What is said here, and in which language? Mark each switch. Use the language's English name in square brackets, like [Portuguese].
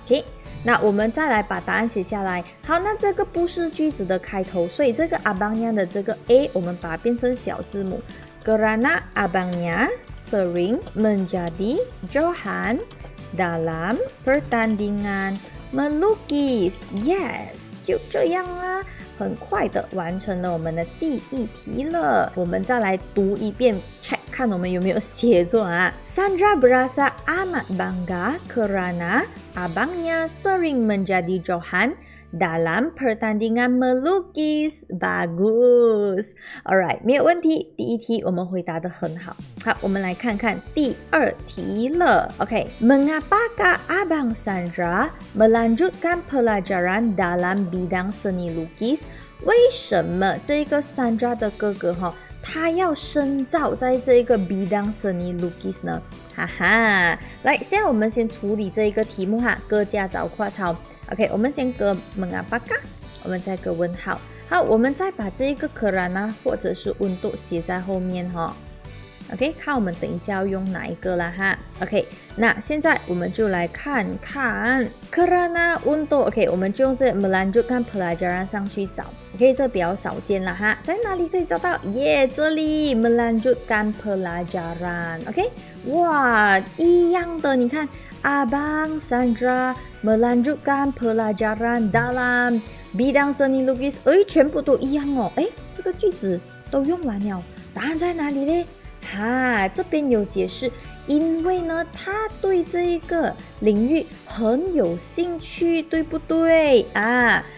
[Chinese] OK， 那我们再来把答案写下来。好，那这个不是句子的开头，所以这个 abangnya 的这个 a， 我们把它变成小字母 ， [Malay] kerana abangnya sering menjadi johan dalam pertandingan melukis。 [English] Yes。 [Chinese] 就这样啦，很快的完成了我们的第一题了。我们再来读一遍 check， 看我们有没有写作啊。 [Malay] Sandra berasa amat bangga kerana abangnya sering menjadi johan dalam pertandingan melukis. Bagus. [Chinese] Alright， 没有问题，第一题我们回答得很好。好，我们来看看第二题了。 [Malay] OK， mengapakah abang Sandra melanjutkan pelajaran dalam bidang seni lukis？ [Chinese] 为什么这个 Sandra 的哥哥哈，他要深造在这个 bidang seni lukis 呢？哈哈，来，现在我们先处理这个题目哈，割家找画抄。 OK， 我们先割 mengapaka， 我们再割问号。好，我们再把这个 kerana 或者是 untuk 写在后面哈、哦。 OK， 看我们等一下要用哪一个啦哈。OK， 那现在我们就来看看 kerana untuk。 OK， 我们就用这 melanjutkan pelajaran 上去找。OK， 这比较少见啦哈，在哪里可以找到？耶、yeah, ，这里 melanjutkan pelajaran。 OK， 哇，一样的，你看。 [Malay] Abang Sandra melanjutkan pelajaran dalam bidang seni lukis， [Chinese] 诶，全部都一样哦，诶，这个句子都用完了，答案在哪里呢？他，这边有解释，因为呢，他对这一个领域很有兴趣，对不对啊？